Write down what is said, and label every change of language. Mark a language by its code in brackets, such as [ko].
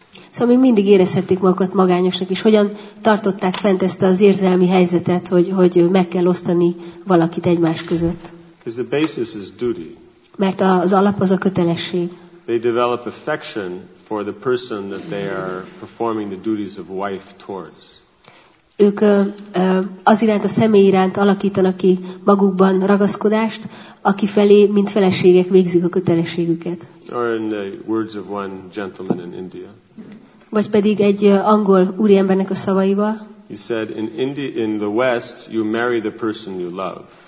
[hu] Szóval még mindig érezhették magukat magányosnak, és hogyan tartották fent ezt az érzelmi helyzetet, hogy meg kell osztani valakit egymás között. [en] Because the basis is duty. [hu] Mert az alap az a kötelesség. [en] They develop affection for the person that they are performing the duties of wife towards. [hu] Ők az iránt, a személy iránt alakítanak ki magukban ragaszkodást, aki felé, mint feleségek végzik a kötelességüket. [en] Or in the words of one gentleman in India. [hu] Vagy pedig egy angol úriembernek a szavaival. [en] He said, in the West, you marry the person you love.